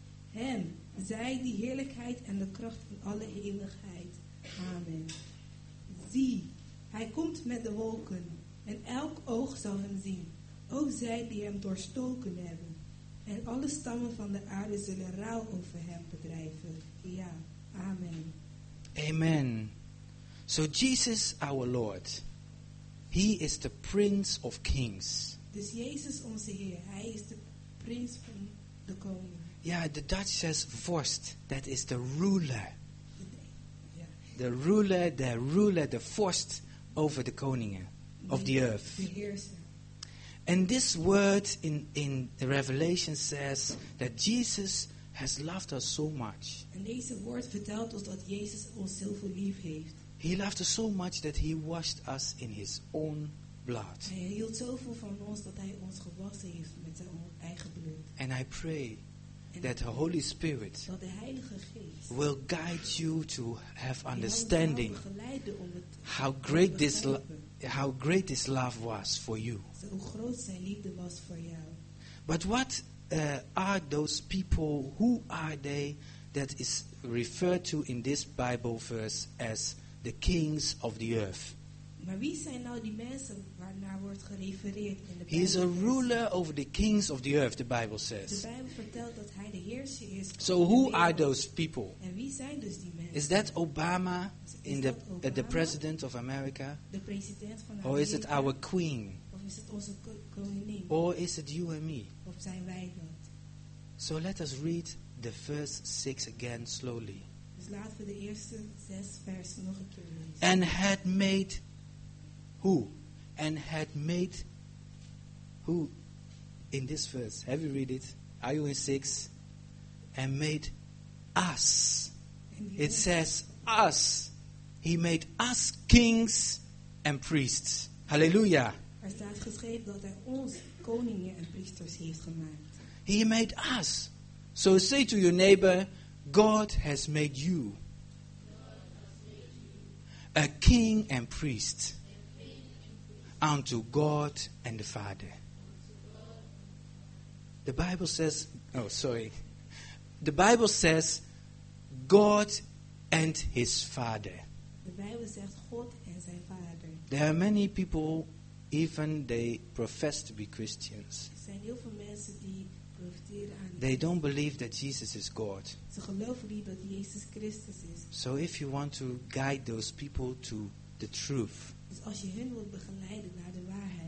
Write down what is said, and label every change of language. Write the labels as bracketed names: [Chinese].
[Dutch] Hem, zij die heerlijkheid en de kracht van alle eeuwigheid. Amen. Zie, hij komt met de wolken, en elk oog zal hem zien. Ook zij die hem doorstoken hebben. En alle stammen van de aarde zullen rouw over hem bedrijven. Ja, amen. Amen. [English] So Jesus, our Lord, he is the Prince of Kings. [Dutch] Dus Jezus onze Heer, hij is de prins van de koning. [English] Yeah, the Dutch says vorst, that is the ruler. The ruler, the ruler, the vorst over the koningen of the earth. And this word in the Revelation says that Jesus has loved us so much. [Dutch] En deze woord vertelt ons dat Jezus ons zoveel lief heeft. [English] He loved us so much that he washed us in his own blood. [Dutch] Hij hield zoveel van ons dat hij ons gewassen heeft met zijn eigen bloed. [English] And I pray that the Holy Spirit [Dutch] dat de Heilige Geest [English] will guide you to have understanding how great this love was for you. [Dutch] Zo groot zijn liefde was voor jou. [English] But what are those people, who are they that is referred to in this Bible verse as the kings of the earth? [Dutch] Maar wie zijn nou die mensen waarnaar wordt gerefereerd in de Bijbel? [English] He is a ruler over the kings of the earth, the Bible says. [Dutch] De Bijbel vertelt dat hij de heerser is. [English] So who are those people? [Dutch] En wie zijn dus die mensen? [English] Is that Obama the president of America? [Dutch] De president van [English] Amerika. Or is it our queen? [Dutch] Of is het onze koningin? [English] Or is it you and me? [Dutch] Of zijn wij dat? [English] So let us read the first six again slowly. [Dutch] Dus laten we de eerste zes versen nog een keer lezen. [English] And had made who? And had made who in this verse, have you read it? Are you in 6? And made us. It says us. He made us kings and priests. Hallelujah. [Dutch] Er staat geschreven dat hij ons koningen en priesters heeft gemaakt. [English] He made us. So say to your neighbor, God has made you a king and priest unto God and the Father. The Bible says, The Bible says God and his Father. [Dutch] De Bijbel zegt God en zijn Vader. [English] There are many people, even they profess to be Christians. [Dutch] Er zijn heel veel mensen die profiteren aan. [English] They don't believe that Jesus is God. [Dutch] Ze geloven niet dat Jezus Christus is. [English] So if you want to guide those people to the truth. [Dutch] Dus als je hen wilt begeleiden naar de waarheid.